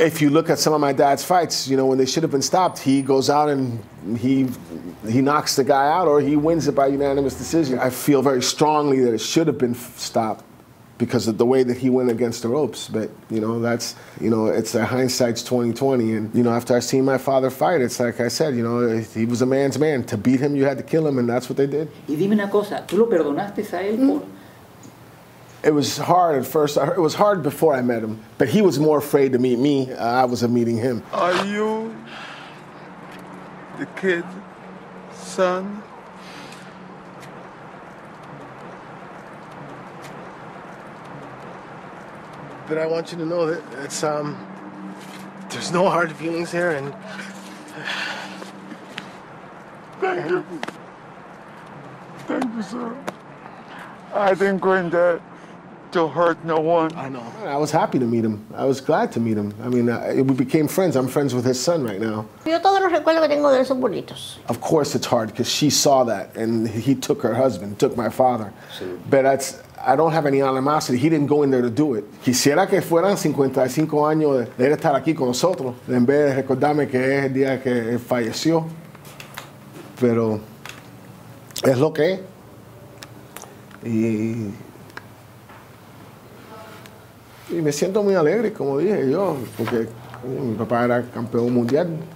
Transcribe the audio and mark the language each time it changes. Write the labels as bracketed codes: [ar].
[en] If you look at some of my dad's fights, you know, when they should have been stopped, he goes out and he knocks the guy out, or he wins it by unanimous decision. I feel very strongly that it should have been stopped because of the way that he went against the ropes. But, you know, that's, you know, it's a hindsight's 20/20. And, you know, after I seen my father fight, it's like I said, you know, he was a man's man. To beat him, you had to kill him, and that's what they did. [es] Y dime una cosa, ¿tú lo perdonaste a él por...? [en] It was hard at first. It was hard before I met him, but he was more afraid to meet me. I was meeting him. Are you the kid, son? But I want you to know that it's there's no hard feelings here, and thank you, sir. I didn't go in there to hurt no one. I know. I was happy to meet him. I was glad to meet him. I mean, we became friends. I'm friends with his son right now. [es] Yo todos los recuerdos que tengo de él son bonitos. [en] Of course it's hard because she saw that and he took her husband, took my father. [es] Sí. [en] But I don't have any animosity. He didn't go in there to do it. [es] Quisiera que fueran 55 años de él estar aquí con nosotros en vez de recordarme que es el día que él falleció. Pero es lo que es. Y me siento muy alegre, como dije yo, porque mi papá era campeón mundial.